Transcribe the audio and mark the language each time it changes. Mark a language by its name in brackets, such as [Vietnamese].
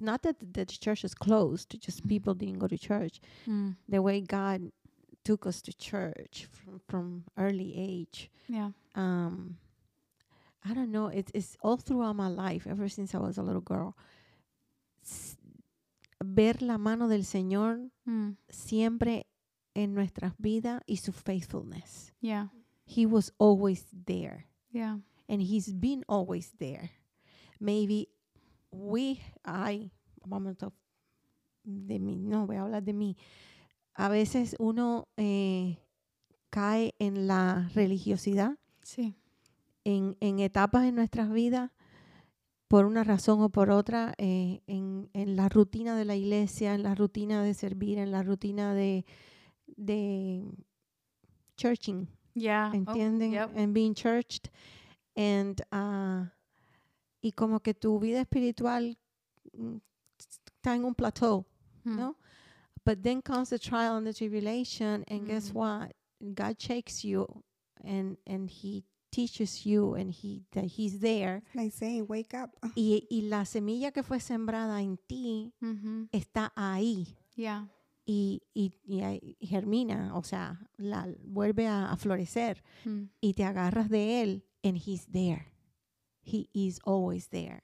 [English] Not that the churches closed, just people didn't go to church. Mm. The way God took us to church from early age. Yeah. I don't know. It's all throughout my life, ever since I was a little girl. [Spanish] Ver la mano del Señor siempre en nuestras vidas y su faithfulness. [English] Yeah. He was always there. Yeah. And he's been always there. Maybe we, I, moment of [Spanish] de mí, no voy a hablar de mí. A veces uno cae en la religiosidad. Sí. En etapas en nuestras vidas, por una razón o por otra, en la rutina de la iglesia, en la rutina de servir, en la rutina de churching. [English] Yeah. [Spanish] ¿Entienden? [English] Oh, yep. And being churched. [Spanish] And y como que tu vida espiritual está en un plateau, ¿no? [English] But then comes the trial and the tribulation, and guess what? God shakes you, and he teaches you, and he that he's there. They say, wake up. [Spanish] Y la semilla que fue sembrada en ti está ahí. [English] Yeah. [Spanish] Y germina, o sea, la vuelve a florecer, y te agarras de él. [English] And he's there. He is always there.